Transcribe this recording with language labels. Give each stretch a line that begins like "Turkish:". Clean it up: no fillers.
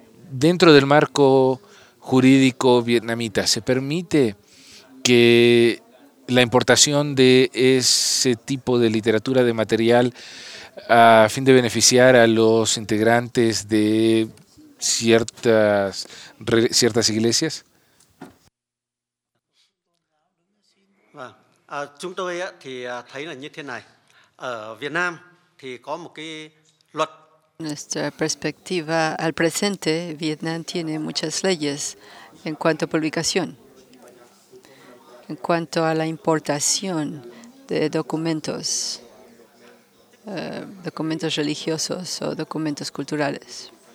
Spanish: Dentro del marco jurídico vietnamita, ¿se permite que la importación de ese tipo de literatura, de material, a fin de beneficiar a los integrantes de ciertas iglesias?
Vietnamese: Chúng tôi thì thấy là như thế này. Ở Việt Nam thì có một cái luật.
Spanish: Nuestra perspectiva al presente, Vietnam tiene muchas leyes en cuanto a publicación, en cuanto a la importación de documentos, documentos religiosos o documentos culturales.